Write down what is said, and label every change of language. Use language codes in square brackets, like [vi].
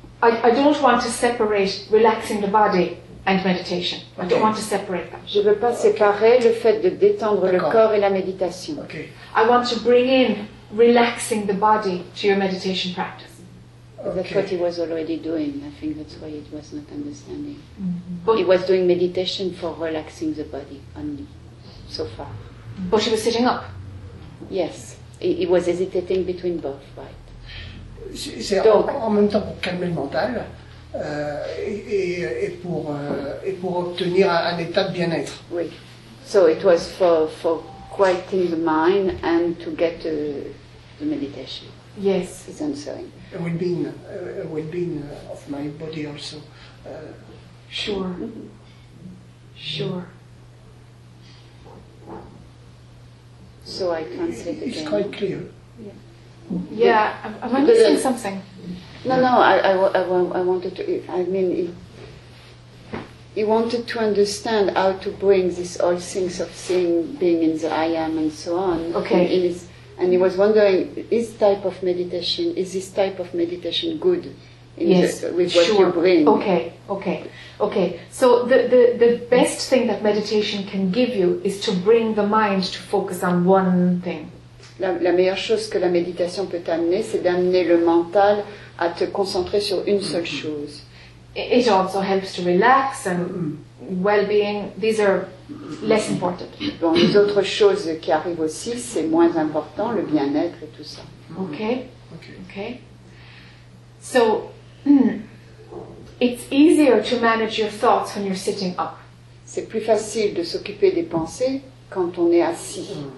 [en] I don't want to separate relaxing the body. And meditation. Okay. I don't want to separate that. [fr] Je ne veux pas séparer le fait de détendre le corps et la méditation. [en] Okay. I want to bring in relaxing the body to your meditation practice. Okay. That's what he was already doing. I think that's why it was not understanding. Mm-hmm. But he was doing meditation for relaxing the body only, so far. But he was sitting up. Yes. He was hesitating between both, right? [fr] C'est donc, en même temps pour calmer le mental. Et pour obtenir un état de bien-être. Oui. [en] So it was for quieting the mind and to get the meditation. Yes. Is answering. A well-being of my body also. Sure. Sure. so I translate again. It's quite clear. Yeah, am I missing something? He wanted to understand how to bring this all sense of seeing, being in the I am and so on. Okay. And he was wondering, is this type of meditation good? Sure. You bring. Okay. So the best thing that meditation can give you is to bring the mind to focus on one thing. [fr] La meilleure chose que la méditation peut amener, c'est d'amener le mental à te concentrer sur une seule chose. [en] It also helps to relax and well-being. These are less important. [fr] Bon, les autres choses qui arrivent aussi, c'est moins important, le bien-être et tout ça. [en] Okay. So, it's easier to manage your thoughts when you're sitting up. [fr] C'est plus facile de s'occuper des pensées quand on est assis.